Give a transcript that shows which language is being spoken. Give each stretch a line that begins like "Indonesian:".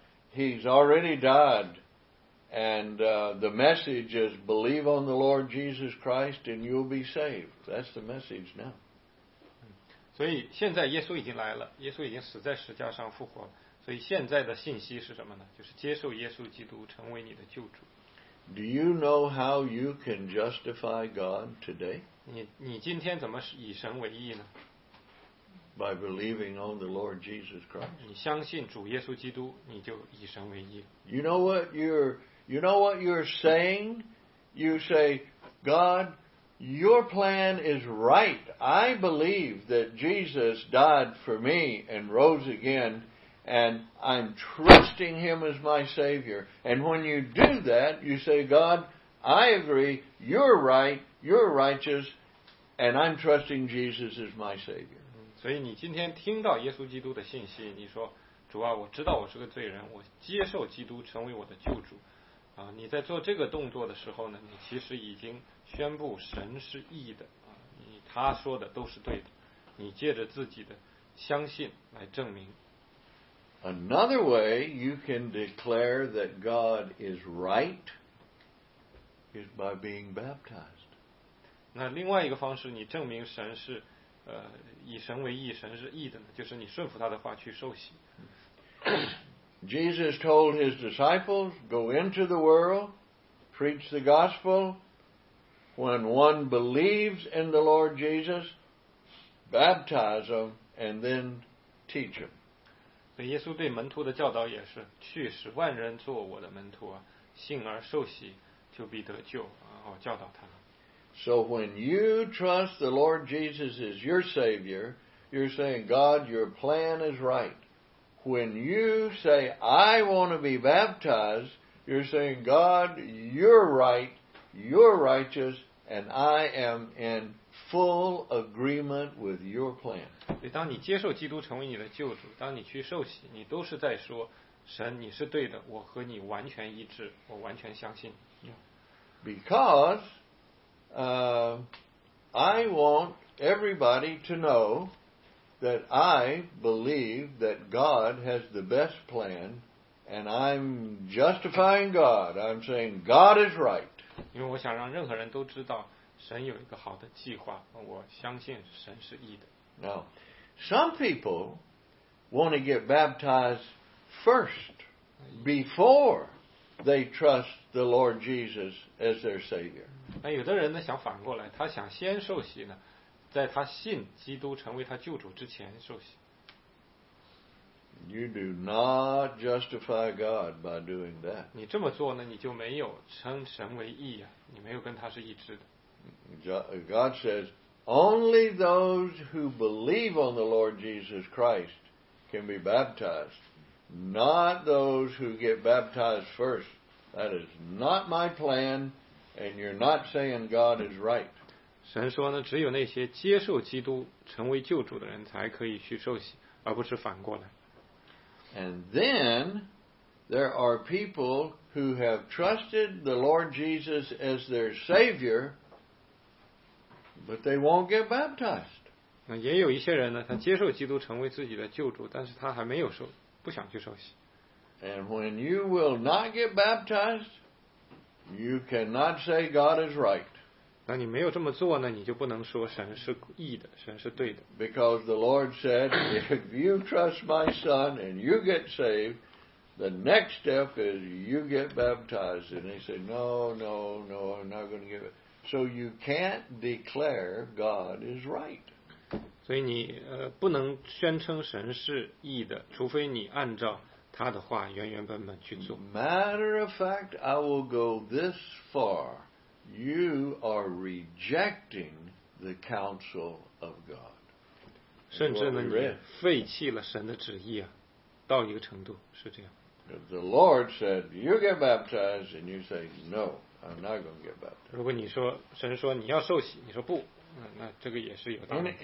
English: He's already died. And the message is, believe on the Lord Jesus Christ and you'll be saved. That's the message now.
Chinese: 所以现在耶稣已经来了，耶稣已经死在十架上复活了。所以现在的信息是什么呢？就是接受耶稣基督成为你的救主。
English: Do you know how you can justify God today?
Chinese: 你今天怎么以神为义呢？
English: By believing on the Lord Jesus Christ.
Chinese: 你相信主耶稣基督，你就以神为义。
English: You know what you're saying? You say, God, your plan is right. I believe that Jesus died for me and rose again, and I'm trusting him as my Savior. And when you do that, you say, God, I agree, you're right, you're righteous, and I'm trusting Jesus as my Savior.
Chinese: 所以你今天听到耶稣基督的信息，你说，主啊，我知道我是个罪人，我接受基督成为我的救主。啊，你在做这个动作的时候呢，你其实已经宣布神是义的啊，他说的都是对的，你借着自己的相信来证明。
English: Another way you can declare that God is right is by being baptized.
Chinese: 那另外一个方式，你证明神是以神为义，神是义的呢，就是你顺服他的话去受洗。
English: Jesus told his disciples, go into the world, preach the gospel. When one believes in the Lord Jesus, baptize them and then teach them.
Chinese: 所以耶稣对门徒的教导也是，去使万人做我的门徒，信而受洗就必得救，然后教导他们。
English: So when you trust the Lord Jesus as your Savior, you're saying, God, your plan is right. When you say, I want to be baptized, you're saying, God, you're right, you're righteous, and I am in full agreement with your plan.
Chinese: 对，当你接受基督成为你的救主，当你去受洗，你都是在说，神，你是对的，我和你完全一致，我完全相信。
English: Because, I want everybody to know that I believe that God has the best plan, and I'm justifying God. I'm saying God is right.
Chinese: 因为我想让任何人都知道神有一个好的计划，我相信神是义的。
English: Now, some people want to get baptized first before they trust the Lord Jesus as their Savior.
Chinese: 那有的人呢想反过来，他想先受洗呢，在他信基督成为他救主之前受洗。
English: You do not justify God by doing that.
Chinese: 你这么做呢，你就没有称神为义啊，你没有跟他是一致的。
English: God says, only those who believe on the Lord Jesus Christ can be baptized, not those who get baptized first. That is not my plan, and you're not saying God is right.
Chinese: 神说呢，只有那些接受基督成为救主的人才可以去受洗，而不是反过来。
English: And then there are people who have trusted the Lord Jesus as their Savior, but they won't get baptized.
Chinese: 那也有一些人呢，他接受基督成为自己的救主，但是他还没有受，不想去受洗。
English: And when you will not get baptized, you cannot say God is right.
Chinese: 那你没有这么做呢，你就不能说神是义的，神是对的。
English: Because the Lord said, if you trust my son and you get saved, the next step is you get baptized. And he said, no, I'm not going to give it. So you can't declare God is right.
Chinese: 所以你不能宣称神是义的，除非你按照他的话原原本本去做。
English: Matter of fact, I will go this far. You are rejecting the counsel of God.
Chinese: 甚至呢，你废弃了神的旨意啊，到一个程度是这样。
English: The Lord said, "You get baptized," and you say, "No, I'm not going to get baptized."
Chinese: 如果你说神说你要受洗，你说不，那这个也是有道理。